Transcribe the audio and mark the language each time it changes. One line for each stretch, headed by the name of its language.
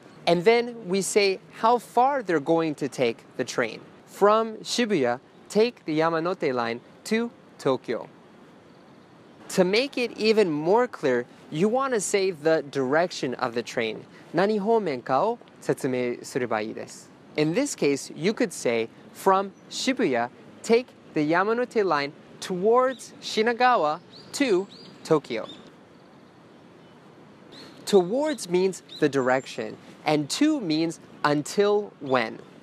English: And then we say how far they're going to take the train. From Shibuya, take the Yamanote line to Tokyo. To make it even more clear, you want to say the direction of the train.
Japanese: 何方面かを説明すればいいです。
English: In this case, you could say, from Shibuya, take the Yamanote line towards Shinagawa to Tokyo. Towards means the direction. And two means until when.